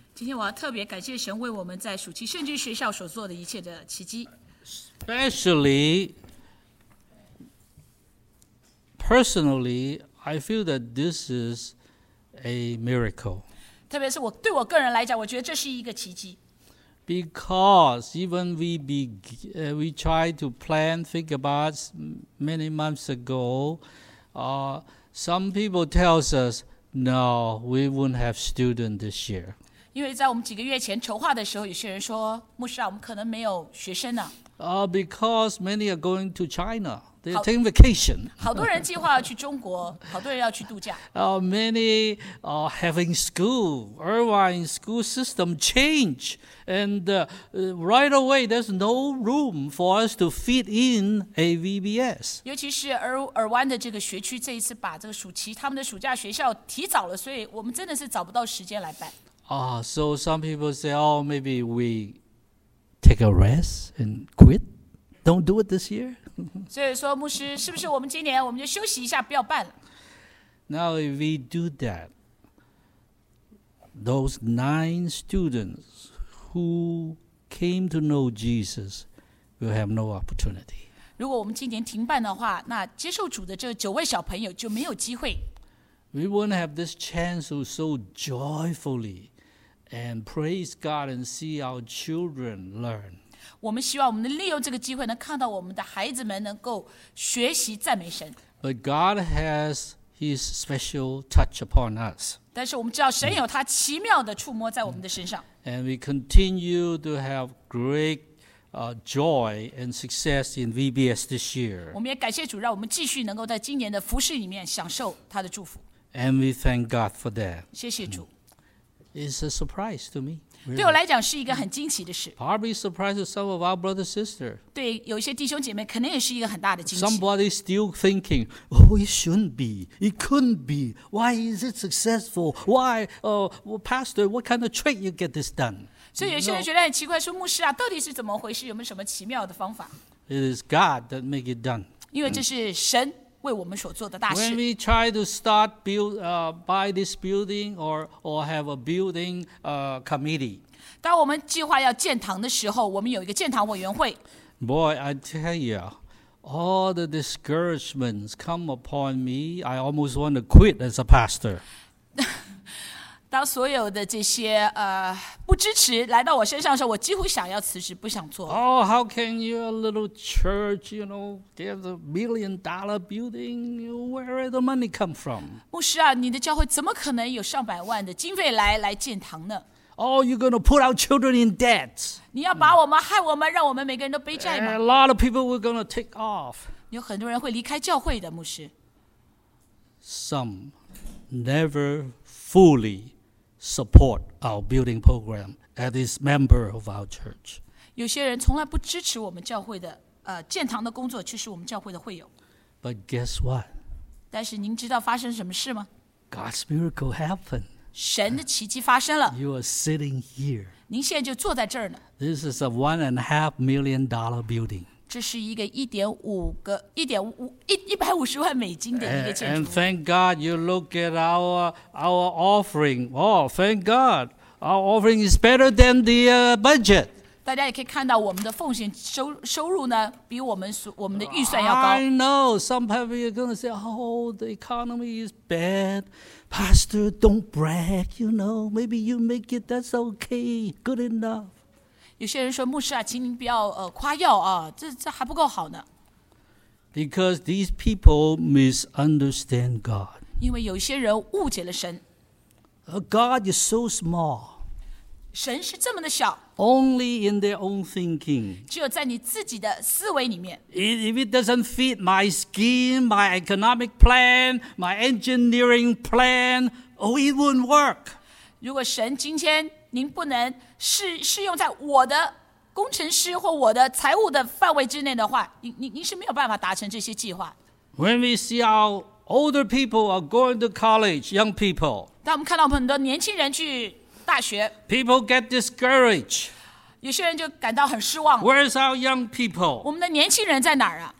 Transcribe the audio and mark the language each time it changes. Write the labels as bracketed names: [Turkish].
[Chinese] 今天我要特别感谢神为我们在暑期圣经学校所做的一切的奇迹。 [English] Especially, personally, I feel that this is a miracle. [Chinese] 特别是我对我个人来讲，我觉得这是一个奇迹。 [English] Because even we tried to plan, think about many months ago, some people tell us, no, we won't have students this year. [Chinese] 因为在我们几个月前筹划的时候，有些人说，牧师啊，我们可能没有学生了。 [English] Because many are going to China, they take vacation. [Chinese] 好多人计划要去中国，好多人要去度假。 [English] Many are having school. Irvine school system change, and right away there's no room for us to fit in a VBS. [Chinese] 尤其是尔湾的这个学区，这一次把这个暑期他们的暑假学校提早了，所以我们真的是找不到时间来办。 [English] So some people say, oh, maybe we. Take a rest and quit. Don't do it this year. [Chinese] 所以说，牧师，是不是我们今年我们就休息一下，不要办了？ [English] Now if we do that, those 9 students who came to know Jesus will have no opportunity. [Chinese] 如果我们今年停办的话，那接受主的这九位小朋友就没有机会。 [English] We won't have this chance to so joyfully. And praise God and see our children learn. [Chinese] 我们希望我们能利用这个机会能看到我们的孩子们能够学习赞美神。 [English] But God has His special touch upon us. [Chinese] 但是我们知道神有他奇妙的触摸在我们的身上。 [English] And we continue to have great joy and success in VBS this year. [Chinese] 我们也感谢主，让我们继续能够在今年的服事里面享受他的祝福。 [English] And we thank God for that. [Chinese] 谢谢主。 [English] It's a surprise to me. Really. [Chinese] 对我来讲是一个很惊奇的事。 [English] Probably surprise to some of our brothers and sisters. [Chinese] 对，有一些弟兄姐妹可能也是一个很大的惊奇。 [English] Somebody still thinking, oh, it shouldn't be, it couldn't be. Why is it successful? Why, pastor, what kind of trick you get this done? [Chinese] 所以有些人觉得很奇怪，说牧师啊，到底是怎么回事？有没有什么奇妙的方法？ [English] It is God that make it done. [Chinese] 因为这是神为我们所做的大事。 [English] When we try to start buy this building or have a building committee. [Chinese] 当我们计划要建堂的时候，我们有一个建堂委员会。 [English] Boy, I tell you, all the discouragements come upon me. I almost want to quit as a pastor. [Chinese] 当所有的这些不支持来到我身上的时候，我几乎想要辞职，不想做。 [English] Oh, how can you, a little church, you know, get a $1 million building? Where did the money come from? [Chinese] 牧师啊，你的教会怎么可能有上百万的经费来建堂呢？ [English] Oh, you're going to put our children in debt. [Chinese] 你要把我们害我们，让我们每个人都背债吗？ [English] A lot of people were going to take off. [Chinese] 有很多人会离开教会的，牧师。 [English] Some never fully. Support our building program as a member of our church. [Chinese] 有些人从来不支持我们教会的建堂的工作，却是我们教会的会友。 [English] But guess what? [Chinese] 但是您知道发生什么事吗？ [English] God's miracle happened. [Chinese] 神的奇迹发生了。 [English] You are sitting here. [Chinese] 您现在就坐在这儿呢。 [English] This is a $1.5 million building. [Chinese] 这是一个150万美金的一个建筑。 [English] And thank God you look at our offering. Oh, thank God. Our offering is better than the budget. [Chinese] 大家也可以看到我们的奉献收入呢比我们的预算要高。 [English] I know some people are going to say, oh, the economy is bad. Pastor, don't brag, you know. Maybe you make it, that's okay, good enough. [Chinese] 有些人说，牧师啊，请您不要夸耀啊，这还不够好呢。 [English] Because these people misunderstand God. [Chinese] 因为有些人误解了神。 [English] God is so small. [Chinese] 神是这么的小。 [English] Only in their own thinking. [Chinese] 只有在你自己的思维里面。 [English] If it doesn't fit my scheme, my economic plan, my engineering plan, oh, it won't work. [Chinese] 如果神今天您不能适用在我的工程师或我的财务的范围之内的话， 您是没有办法达成这些计划。 [English] When we see our older people are going to college, young people, [Chinese] 当我们看到很多年轻人去大学， [English] people get discouraged. [Chinese] 有些人就感到很失望。 [English] Where's our young people? [Chinese] 我们的年轻人在哪儿啊？